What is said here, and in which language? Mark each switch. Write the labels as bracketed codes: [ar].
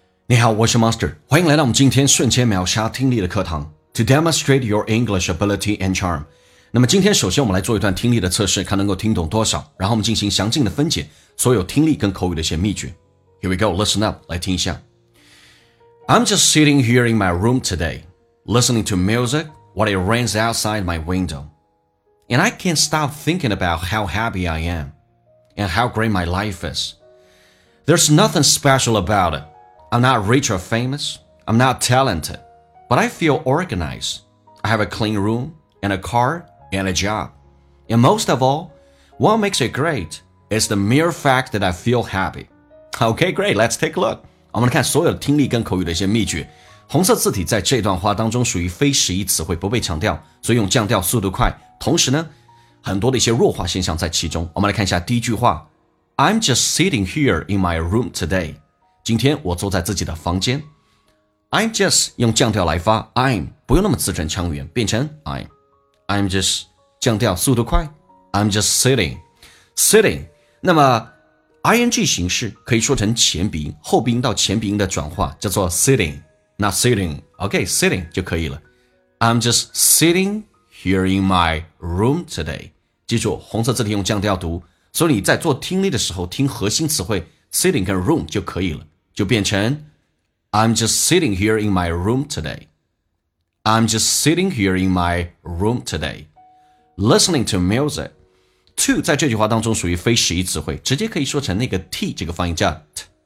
[zh] 你好，我是 Master， 欢迎来到我们今天瞬间秒杀听力的课堂 [en] To demonstrate your English ability and charm。 [zh] 那么今天首先我们来做一段听力的测试，看能够听懂多少，然后我们进行详尽的分解所有听力跟口语的一些秘诀。 [en] Here we go, listen up, [zh] 来听一下。 [en] I'm just sitting here in my room today, listening to music while it rains outside my window. And I can't stop thinking about how happy I am and how great my life is. There's nothing special about it. I'm not rich or famous, I'm not talented, but I feel organized. I have a clean room, and a car, and a job. And most of all, what makes it great is the mere fact that I feel happy. Okay, great, let's take a look. [zh] 我们来看所有听力跟口语的一些秘诀。红色字体在这段话当中属于非实义词汇，不被强调，所以用降调速度快，同时呢，很多的一些弱化现象在其中。我们来看一下第一句话。 [en] I'm just sitting here in my room today. [zh] 今天我坐在自己的房间。 [en] I'm just [zh] 用降调来发 I'm 不用那么字正腔圆，变成 I'm [en] just [zh] 降调速度快 [en] I'm just sitting [zh] 那么 ing 形式可以说成前鼻音后鼻音到前鼻音的转化叫做 [en] sitting not sitting OK sitting [zh] 就可以了。 [en] I'm just sitting here in my room today， [zh] 记住红色字体用降调读，所以你在做听力的时候听核心词汇sitting 跟 room 就可以了，就变成 [en] I'm just sitting here in my room today. I'm just sitting here in my room today. Listening to music. [zh] To 在这句话当中属于非实义词汇，直接可以说成那个 T 这个发音叫 T.